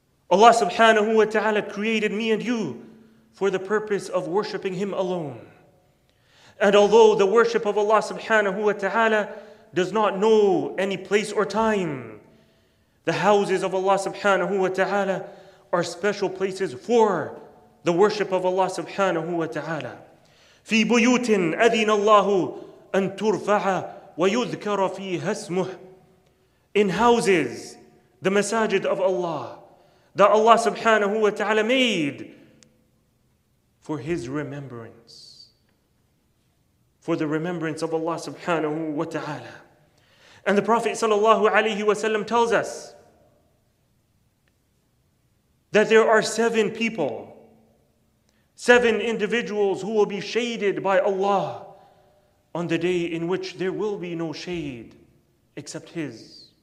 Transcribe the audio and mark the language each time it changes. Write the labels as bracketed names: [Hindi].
[English] Allah subhanahu wa ta'ala created me and you for the purpose of worshiping Him alone. And although the worship of Allah subhanahu wa ta'ala does not know any place or time, the houses of Allah subhanahu wa ta'ala are special places for the worship of Allah subhanahu wa ta'ala. [Arabic] في بيوت أذن الله أن ترفع ويذكر فيها اسمه. [English] In houses, the masajid of Allah, that Allah subhanahu wa ta'ala made for His remembrance, for the remembrance of Allah subhanahu wa ta'ala. And the Prophet sallallahu alayhi wa sallam tells us that there are seven people, seven individuals who will be shaded by Allah on the day in which there will be no shade except His.